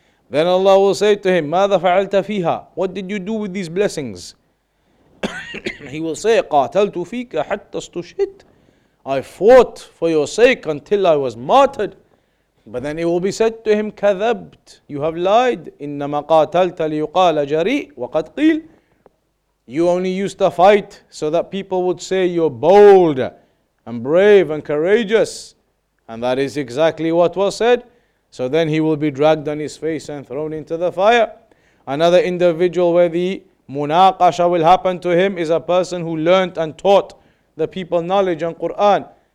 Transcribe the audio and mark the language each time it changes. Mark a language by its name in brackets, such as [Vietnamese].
[English] Then Allah will say to him, [Arabic] ماذا فعلت فيها? [English] What did you do with these blessings? He will say, [Arabic] قاتلت فيك حتى استشهد. [English] I fought for your sake until I was martyred. But then it will be said to him, [Arabic] كذبت. [English] You have lied. [Arabic] إنما قاتلت ليقال جريء وقد قيل. [English] You only used to fight so that people would say you're bold and brave and courageous. And that is exactly what was said. So then he will be dragged on his face and thrown into the fire. Another individual where the munaqasha will happen to him is a person who learnt and taught the people knowledge and Quran.